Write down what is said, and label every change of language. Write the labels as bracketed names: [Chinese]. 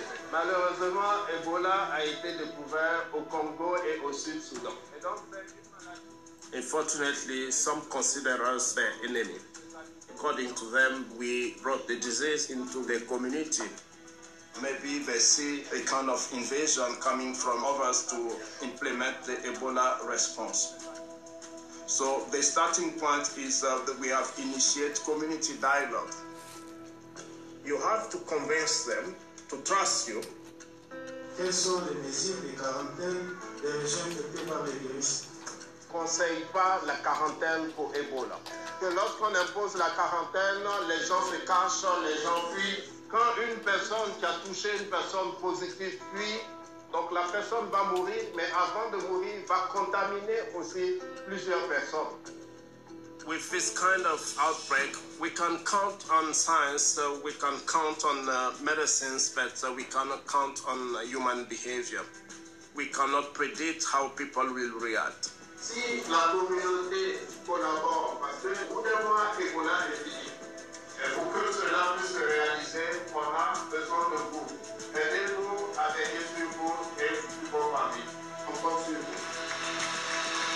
[French] Malheureusement, Ebola a été découvert au Congo et au Sud-Soudan. [English] Unfortunately, some consider us their enemy. According to them, we brought the disease into the community. Maybe they see a kind of invasion coming from others to implement the Ebola response. So the starting point is that we have initiated community dialogue. You have to convince them to trust you. [French] Quelles sont les mesures de quarantaine des gens qui ne peuvent pas venir? Conseille pas la quarantaine pour Ebola. Que lorsqu'on impose la quarantaine, les gens se cachent, les gens fuient. Quand une personne qui a touché une personne positive fuit, donc la personne va mourir, mais avant de mourir, va contaminer aussi plusieurs personnes. [English] With this kind of outbreak, we can count on science, we can count on medicines, but we cannot count on human behavior. We cannot predict how people will react. [French] Si la communauté collabore, parce que vous devez voir que Ebola est fini, et pour que cela puisse se réaliser, on a besoin de vous. Aidez-nous à veiller sur vous et sur vos familles. On compte sur vous.